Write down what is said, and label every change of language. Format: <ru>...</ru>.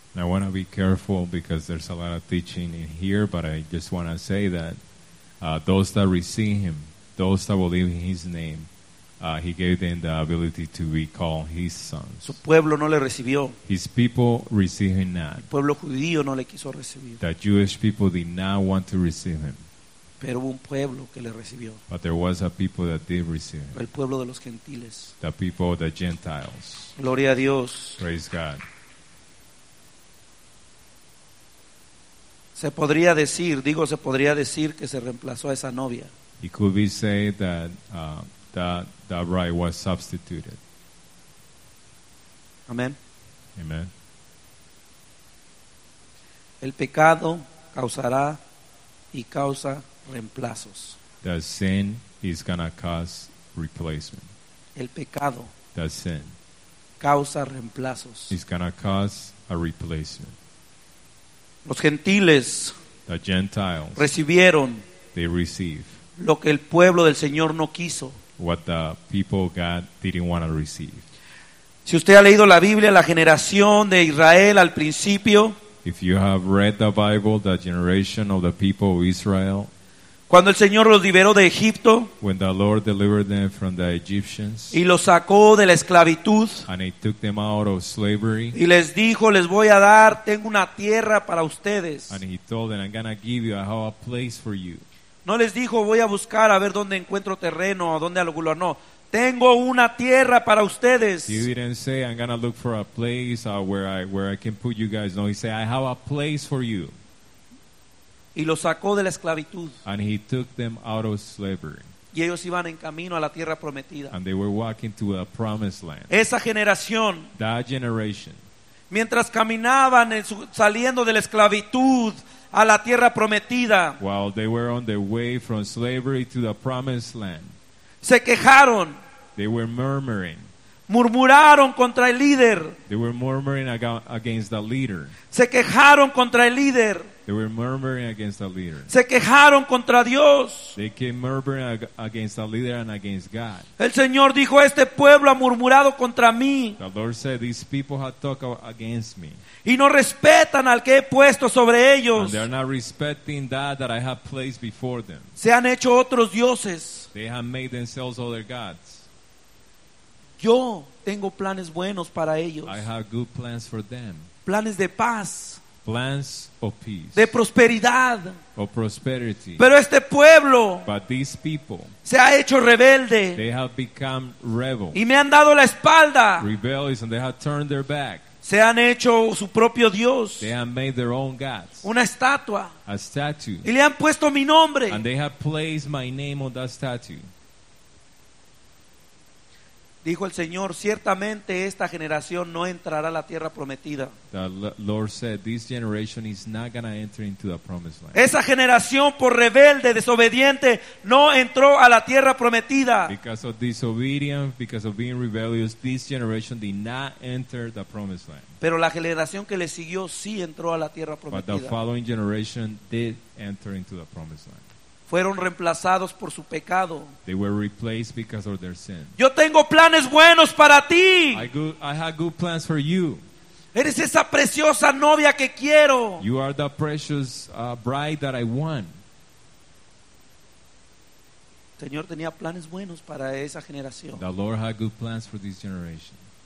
<en>I want to be careful because there's a lot of teaching in here, but I just want to say that those that receive Him, those that believe in His name, He gave them the ability to be called His sons.</en> <es>Su pueblo no le recibió.</es> <en>His people received Him not.</en> <es>El pueblo judío no le quiso recibir.</es> <en>The Jewish people did not want to receive Him.</en> <es>Pero hubo un pueblo que le recibió.</es> <en>But there was a people that did receive Him.</en> <es>El pueblo de los gentiles.</es> <en>The people of the Gentiles.</en> <es>Gloria a Dios.</es> <en>Praise God.</en> <es>Se podría decir, digo, se podría decir que se reemplazó a esa novia.</es> <en>It could be said that that bride was substituted.</en> <es>Amén.</es> <en>Amen.</en> <es>El pecado causará y causa reemplazos.</es> <en>The sin is gonna cause replacement.</en> <es>El pecado.</es> <en>The sin.</en> <es>Causa reemplazos.</es> <en>Is gonna cause a replacement.</en> <es>Los gentiles,</es> <en>the gentiles</en> <es>recibieron,</es> <en>they receive,</en> <es>lo que el pueblo del Señor no quiso.</es> <en>What the people of God didn't want to receive.</en> <es>Si usted ha leído la Biblia, la generación de Israel al principio.</es> <en>If you have read the Bible, the generation of the people of Israel.</en> <es>Cuando el Señor los liberó de Egipto.</es> <en>When the Lord delivered them from the Egyptians.</en> <es>Y los sacó de la esclavitud.</es> <en>And he took them out of slavery.</en> <es>Y les dijo, les voy a dar, tengo una tierra para ustedes.</es> <en>And he told them, I'm gonna give you, I have a place for you.</en> <es>No les dijo, voy a buscar a ver dónde encuentro terreno o dónde alguno. No, tengo una tierra para ustedes.</es> <en>He didn't say, I'm gonna look for a place where I can put you guys. No, he said, I have a place for you.</en> <es>Y los sacó de la esclavitud.</es> <en>And he took them out of slavery.</en> <es>Y y ellos iban en camino a la tierra prometida.</es> <en>And they were walking to a promised land.</en> <es>Esa generación,</es> <en>that generation,</en> <es>mientras caminaban saliendo de la esclavitud a la tierra prometida,</es> <en>while they were on their way from slavery to the promised land,</en> <es>se quejaron.</es> <en>They were murmuring.</en> <es>Murmuraron contra el líder.</es> <en>They were murmuring against the leader.</en> <es>Se quejaron contra el líder.</es> <en>They were murmuring against the leader.</en> <es>Se quejaron contra Dios.</es> <en>They came murmuring against the leader and against God.</en> <es>El Señor dijo, este pueblo ha murmurado contra mí.</es> <en>The Lord said, these people have talked against me.</en> <es>Y no respetan al que he puesto sobre ellos.</es> <en>And they are not respecting that I have placed before them.</en> <es>Se han hecho otros dioses.</es> <en>They have made themselves other gods.</en> <es>Yo tengo planes buenos para ellos.</es> <en>I have good plans for them.</en> <es>Planes de paz.</es> <en>Plans of peace.</en> <es>De prosperidad.</es> <en>Of prosperity.</en> <es>Pero este pueblo,</es> <en>but these people,</en> <es>se ha hecho rebelde.</es> <en>They have become rebel.</en> <es>Y me han dado la espalda.</es> <en>Rebellious, and they have turned their back.</en> <es>Se han hecho su propio dios.</es> <en>They have made their own gods.</en> <es>Una estatua.</es> <en>A statue.</en> <es>Y le han puesto mi nombre.</es> <en>And they have placed my name on that statue.</en> <es>Dijo el Señor, ciertamente esta generación no entrará a la tierra prometida.</es> <en>The Lord said, this generation is not going to enter into the promised land.</en> <es>Esa generación por rebelde, desobediente, no entró a la tierra prometida.</es> <en>Because of disobedience, because of being rebellious, this generation did not enter the promised land.</en> <es>Pero la generación que le siguió sí entró a la tierra prometida.</es> <en>But the following generation did enter into the promised land.</en> <es>Fueron reemplazados por su pecado.</es> <en>They were replaced because of their sin.</en> <es>Yo tengo planes buenos para ti.</es> <en>I have good plans for you.</en> <es>Eres esa preciosa novia que quiero.</es> <en>You are the precious bride that I want.</en> <es>Señor tenía planes buenos para esa generación.</es> <en>The Lord had good plans for this generation.</en>